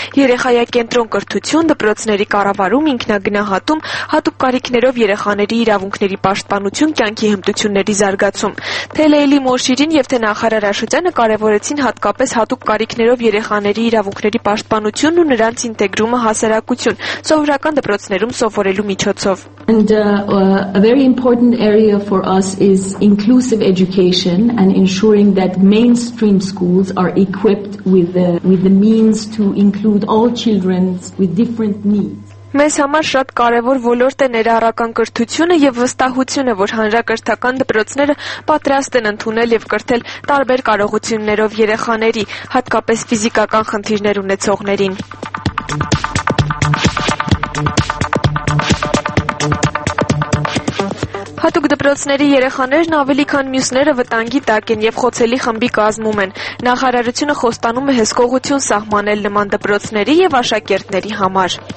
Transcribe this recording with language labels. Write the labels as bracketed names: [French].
[Armenian] երեխայակենտրոն կրթություն, դպրոցների կառավարում, ինքնագնահատում, հատուկ կարիքներով երեխաների իրավունքների պաշտպանություն, կյանքի հմտությունների զարգացում։ Թե Լեյլի Մոշիրին եւ թե նախարար Աշոտյանը կարևորեցին հատկապես հատուկ կարիքներով երեխաների իրավունքների պաշտպանությունն ու նրանց ինտեգրումը հասարակություն, սովորական դպրոցներում սովորելու միջոցով։ [English] And a very important area for us is inclusive education and ensuring that mainstream schools are equipped with the means to include all children with different needs. [Armenian] Մեզ համար շատ կարևոր ոլորտ է ներառական կրթությունը եւ վստահությունը, որ հանրակրթական դպրոցները պատրաստ են ընդունել եւ կրթել տարբեր կարողություններով երեխաների, հատկապես ֆիզիկական խնդիրներ ունեցողներին։ Հատուկ դպրոցների երեխաներն ավելի քան մյուսները վտանգի տակ են եւ խոցելի խմբի կազմում են։ Նախարարությունը խոստանում է հսկողություն սահմանել նման դպրոցների եւ աշակերտների համար։